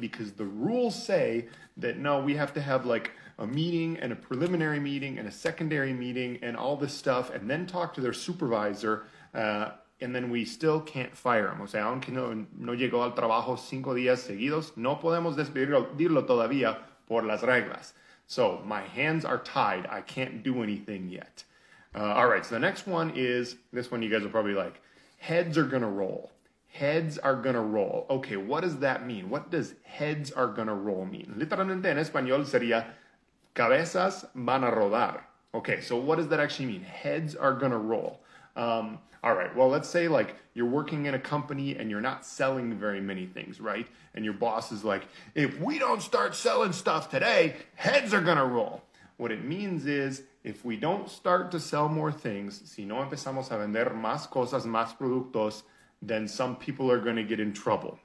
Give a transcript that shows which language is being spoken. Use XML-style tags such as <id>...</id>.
<en>Because the rules say that, no, we have to have like a meeting and a preliminary meeting and a secondary meeting and all this stuff, and then talk to their supervisor, and then we still can't fire him.</en> <es>O sea, aunque no llegó al trabajo 5 días seguidos, no podemos despedirlo todavía por las reglas.</es> <en>So my hands are tied. I can't do anything yet. All right. So the next one is, this one you guys are probably like, heads are going to roll. Heads are going to roll. Okay. What does that mean? What does heads are going to roll mean?</en> <es>Literalmente en español sería, cabezas van a rodar.</es> <en>Okay. So what does that actually mean? Heads are going to roll. All right, well, let's say like you're working in a company and you're not selling very many things, right? And your boss is like, if we don't start selling stuff today, heads are gonna roll. What it means is, if we don't start to sell more things,</en> <es>si no empezamos a vender más cosas, más productos,</es> <en>then some people are gonna get in trouble.</en>